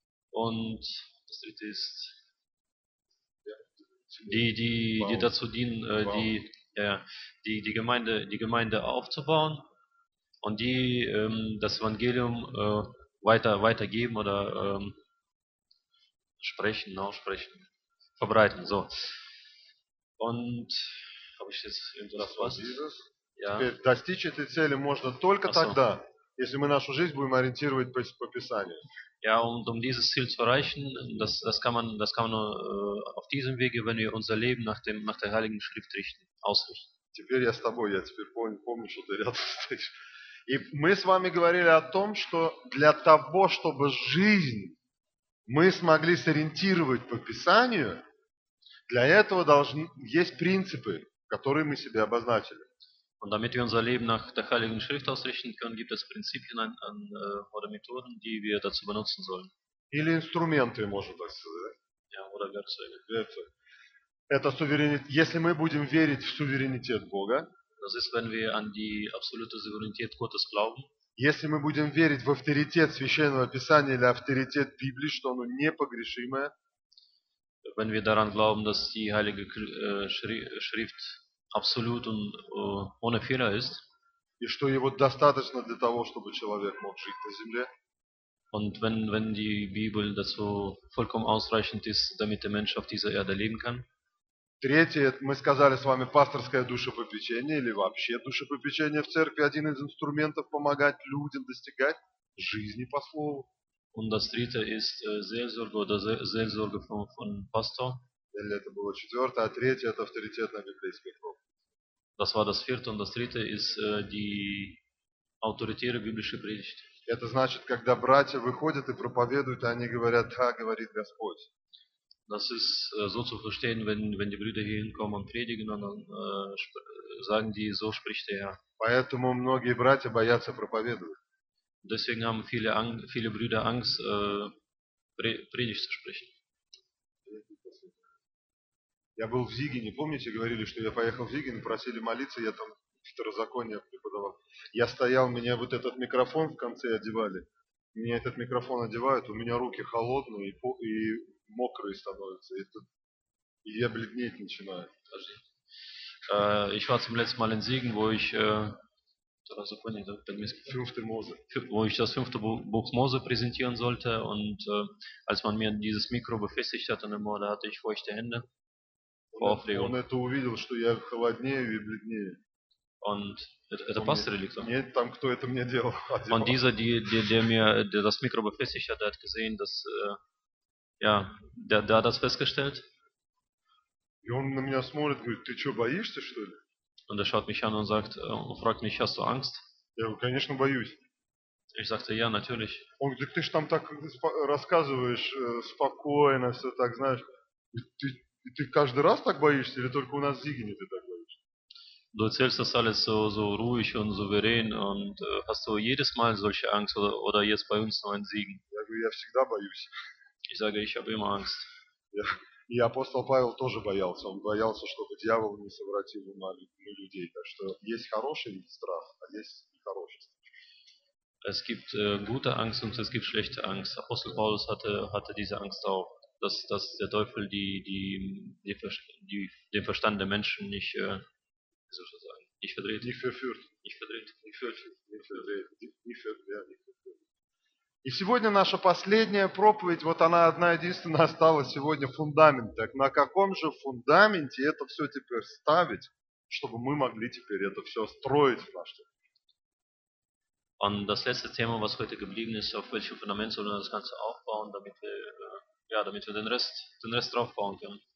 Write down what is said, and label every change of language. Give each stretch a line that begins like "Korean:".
German: Und das dritte ist, die dazu dienen, die Gemeinde aufzubauen. Und die das Evangelium weitergeben oder aussprechen, verbreiten. So. Und habe ich jetzt irgendwas was? Ja.
Russian: Достичь этой цели можно только тогда, если мы нашу жизнь будем ориентировать по Писанию.
German: Ja, und um dieses Ziel zu erreichen, das kann man nur auf diesem Wege, wenn wir unser Leben nach der Heiligen Schrift richten, ausrichten.
Russian: Теперь я с тобой, я теперь помню, что ты рядом стоишь. И мы с вами говорили о том, что для того, чтобы жизнь мы смогли сориентировать по Писанию, для этого есть принципы, которые мы себе обозначили.
German: Und damit wir unser Leben nach der Heiligen Schrift ausrichten können, gibt es Prinzipien oder Methoden, die wir dazu benutzen sollen.
Russian: Или инструменты, можно так сказать.
German: Ja, oder Werkzeuge.
Russian: Это суверенитет. Если мы будем верить в суверенитет Бога,
German: das ist, wenn wir an die absolute Souveränität Gottes glauben.
Russian: Если мы будем верить в авторитет Священного Писания или авторитет Библии, что оно непогрешимое,
German: wenn wir daran glauben, dass die Heilige Schrift absolut und ohne Fehler ist,
Russian: и что его достаточно для того, чтобы человек мог жить на земле,
German: und wenn die Bibel dazu vollkommen ausreichend ist, damit der Mensch auf dieser Erde leben kann,
Russian: Третье, мы сказали с вами, пасторское душепопечение или вообще душепопечение в церкви, один из инструментов помогать людям достигать жизни по слову.
German: Und das dritte ist Seelsorge oder Seelsorge von Pastor.
Russian: Или это было четвертое, а третье это авторитетная библейская проповедь.
German: Das war das vierte und das dritte ist die autoritäre biblische Predigt.
Russian: Это значит, когда братья выходят и проповедуют, они говорят: «Да, говорит Господь».
German: Das ist so zu verstehen, wenn die Brüder hier hinkommen und predigen, und dann sagen die: «So spricht der Herr».
Russian: Поэтому многие братья боятся проповедовать.
German: Deswegen haben viele Brüder Angst, Predigt zu sprechen.
Russian: Я был в Зигине, помните, говорили, что я поехал в Зигин, просили молиться, я там второзаконие преподавал. Я стоял, меня вот этот микрофон в конце одевали, меня этот микрофон одевают, у меня руки холодные и мокрые становятся, и я бледнеть начинаю.
German: Ich war zum letzten Mal in Siegen, wo ich
Russian: второзаконие, да,
German: Fünfte Mose. Wo ich das fünfte Buch Mose präsentieren sollte, und als man mir dieses Mikro befestigt hat, da hatte ich feuchte Hände.
Russian: Он это увидел, что я холоднею и бледнею. Это пастор или кто? Нет, там кто это мне делал. Он
German: dieser, der mir das Mikro befestigt hat, hat gesehen, dass ja, der hat das festgestellt.
Russian: И он на меня смотрит, говорит: «Ты что, боишься, что ли?»
German: Und schaut mich an und sagt, fragt mich: «Hast du Angst?»
Russian: Я говорю: «Конечно, боюсь».
German: Ich sagte: «Ja, natürlich».
Russian: Он говорит: «Ты ж там так рассказываешь спокойно, все так, знаешь, и ты каждый раз так боишься, или только у нас в Зигине ты так боишься?»
German: Du erzählst das alles so ruhig und souverän, und hast du jedes Mal solche Angst, oder jetzt bei uns nur in Siegen?
Russian: Я говорю: «Я всегда боюсь».
German: Ich sage: «Ich habe immer Angst».
Russian: И апостол Павел тоже боялся. Он боялся, чтобы дьявол не совратил ума людей. Так что есть хороший страх, а есть нехороший страх.
German: Es gibt gute Angst und es gibt schlechte Angst. Apostel Paulus hatte diese Angst auch. Dass der Teufel den Verstand der Menschen nicht, wie soll ich das sagen, nicht verdreht.
Russian: И сегодня наша последняя проповедь, вот она одна единственная осталась сегодня, фундамент. Так на каком же фундаменте это все теперь ставить, чтобы мы могли теперь это все строить в нашей жизни?
German: Und das letzte Thema, was heute geblieben ist, auf welchem Fundament sollen wir das Ganze aufbauen, damit wir ja, damit wir den Rest draufbauen können.